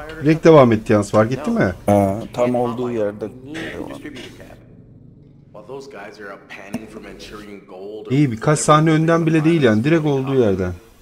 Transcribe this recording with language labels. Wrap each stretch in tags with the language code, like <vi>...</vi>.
<tr>Direkt devam etti yalnız, fark ettin mi? Tam olduğu yerde.</tr> <en>While those guys are up panning for Manchurian gold.</en> <tr>İyi, birkaç sahne önden bile değil yani, direkt olduğu yerden.</tr>